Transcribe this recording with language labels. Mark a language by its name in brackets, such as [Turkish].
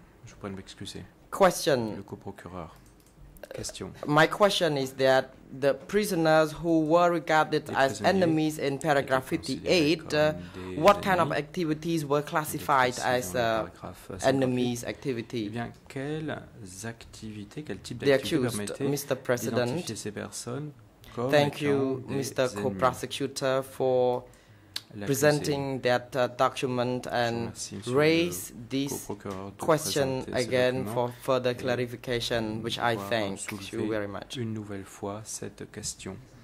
[French] Je pourrais m'excuser. Question. Le coprocureur. Question. [English] My question is that the prisoners who were regarded as enemies in paragraph 58, what kind of activities were classified as enemies' activity? [French] Eh bien, quelles activités, quel type d'activités permettaient d'identifier ces personnes comme [English] Thank you, Mr. Co-Prosecutor, for presenting that document and raise this question again for further clarification, which I thank you very much. [French] Une nouvelle fois cette question.